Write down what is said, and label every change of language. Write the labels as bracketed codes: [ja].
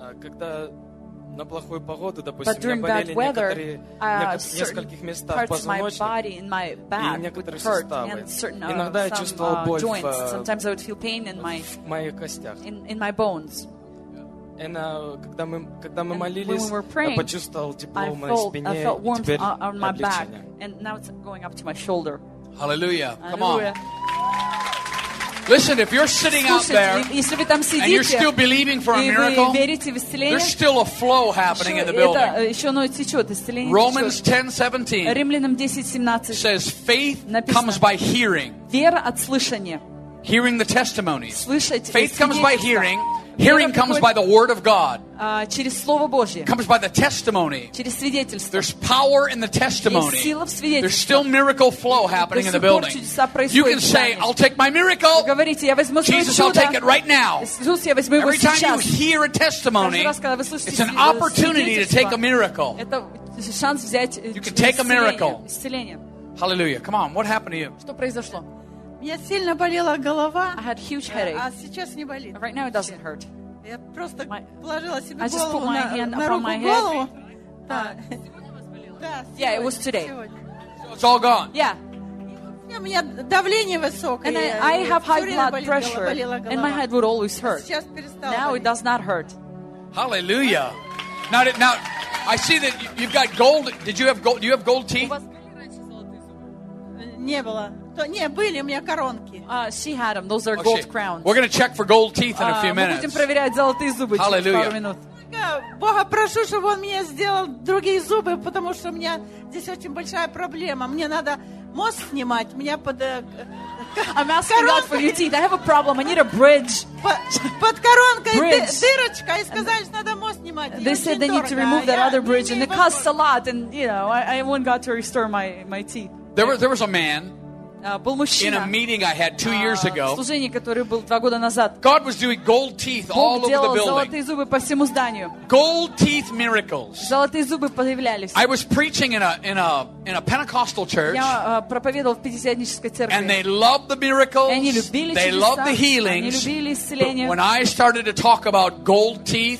[ru] когда на плохую погоду, допустим, я болел нескольких местах позвоночника и некоторых суставов. Иногда я чувствовал боль в моих костях. [en] In my bones. [ru] Когда мы молились, я почувствовал тепло в моей спине, и теперь облегчение. [en] And now it's going up to my shoulder. Hallelujah. Come on. Listen, if you're sitting out there and you're still believing for a miracle, there's still a flow happening in the building. Romans 10:17 says faith comes by hearing. Hearing the testimony. Faith comes by hearing. Hearing comes by the word of God. [ru] Через слово Божье. [en] Comes by the testimony. [ru] Через свидетельство. [en] There's power in the testimony. [ru] Есть сила в свидетельстве. [en] There's still miracle flow happening in the building. [ru] До сих пор чудеса происходят. [en] You can say, I'll take my miracle. [ru] Говорите, я возьму свое чудо. [en] Jesus, I'll take it right now. [ru] Иисус, я возьму его сейчас. [en] Every time you hear a testimony, it's an opportunity to take a miracle. [ru] Это шанс взять исцеление. [en] You can take a miracle. [ru] Исцеление. [en] Hallelujah. Come on, what happened to you? [ru] Что произошло? Я сильно болела голова. [en] I had huge headache. [ru] А сейчас не болит. [en] Right now it doesn't hurt. [ru] Я просто положила себе голову на руку. [en] I just put my hand upon my head. [ru] Голову. Да. Сегодня. [en] Yeah, it was today. So it's all gone. Yeah. [ru] У меня давление высокое. [en] And I have high blood pressure. And my head would always hurt. [ru] Сейчас перестало. [en] Now it does not hurt. Hallelujah. Now I see that you've got gold. Did you have gold? Do you have gold teeth? [ru] Не было. Не, были у меня коронки. [en] She had them. Those are gold crowns. We're going to check for gold teeth in a few minutes. [ru] Мы будем проверять золотые зубы через пару минут. Бога прошу, чтобы он мне сделал другие зубы, потому что у меня здесь очень большая проблема. Мне надо мост снимать. Меня под [en] I'm asking God for your teeth. I have a problem. I need a bridge. [ru] Под коронкой дырочка, и сказали, что надо мост снимать. [en] They said they need to remove that other bridge, and it costs a lot. And you know, I want God to restore my teeth. There was a man. [ru] Был мужчина. [en] In a meeting I had two years ago, [ru] служение, которое было два года назад, [en] God was doing gold teeth all over the building. [ru] Золотые зубы по всему зданию. [en] Gold teeth miracles. [ru] Золотые зубы появлялись. [en] I was preaching in a Pentecostal church. [ru] Я проповедовал в пятидесятнической церкви. [en] And they loved the miracles. [ru] Они любили [en] they [ru] чудеса. [en] Loved the healings. [ru] Они любили исцеление. [en] But when I started to talk about gold teeth,